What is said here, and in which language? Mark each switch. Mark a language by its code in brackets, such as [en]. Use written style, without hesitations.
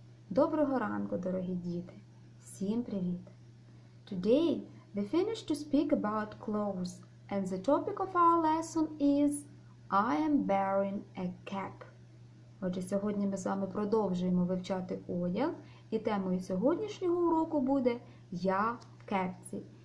[uk] Доброго ранку, дорогі діти. Всім привіт. [en] Today we finished to speak about clothes, and the topic of our lesson is I am wearing a cap. [uk] Отже, сьогодні ми з вами продовжуємо вивчати одяг, і темою сьогоднішнього уроку буде я в кепці.